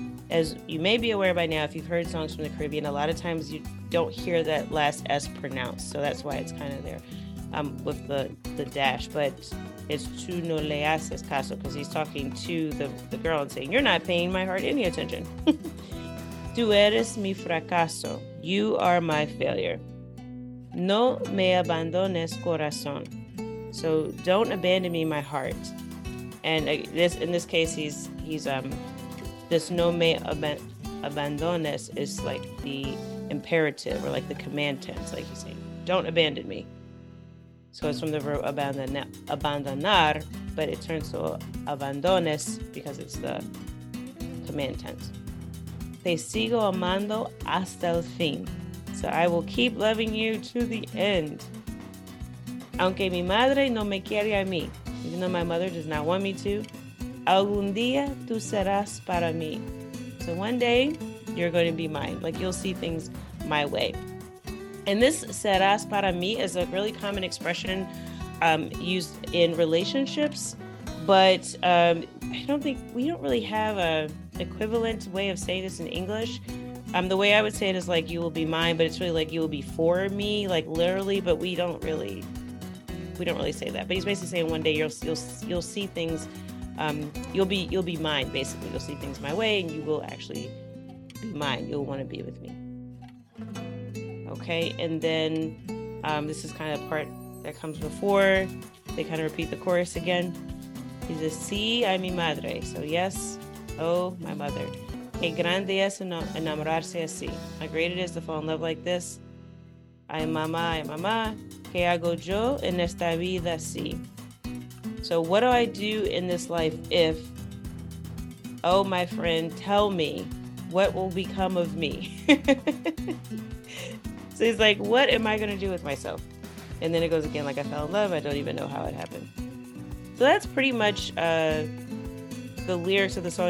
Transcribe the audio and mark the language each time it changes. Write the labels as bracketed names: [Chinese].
[English] as you may be aware by now, if you've heard songs from the Caribbean, a lot of times you don't hear that last S pronounced. So that's why it's kind of there with the dash. But it's [Spanish] tu no le haces caso, [English] because he's talking to the girl and saying, you're not paying my heart any attention. [Spanish] Tu eres mi fracaso. [English] You are my failure. [Spanish] No me abandones corazón. [English] So don't abandon me, my heart. And this, in this case, he's this [Spanish] no me abandones [English] is like the imperative or like the command tense, like he's saying, don't abandon me. So it's from the verb abandonar, but it turns to abandones because it's the command tense. [Spanish] Te sigo amando hasta el fin. [English] So I will keep loving you to the end. [Spanish] Aunque mi madre no me quiere a mí. [English] Even though my mother does not want me to. [Spanish] Algún día tú serás para mí. [English] So one day, you're going to be mine. Like, you'll see things my way. And this [Spanish] serás para mí [English] is a really common expression used in relationships. But I don't think, we don't really have a equivalent way of saying this in English. The way I would say it is like, you will be mine, but it's really like, you will be for me, like literally, but we don't really say that. But he's basically saying one day you'll see things, you'll be mine, basically. You'll see things my way and you will actually be mine. You'll want to be with me. Okay, and then this is kind of the part that comes before. They kind of repeat the chorus again. He says, [Spanish] sí, ay mi madre. [English] So yes, oh, my mother. [Spanish] Qué grande es enamorarse así. [English] How great it is to fall in love like this. [Spanish] Ay, mamá, qué hago yo en esta vida así. [English] So what do I do in this life if, oh, my friend, tell me, what will become of me? So he's like, what am I going to do with myself? And then it goes again, like, I fell in love. I don't even know how it happened. So that's pretty much the lyrics of the song.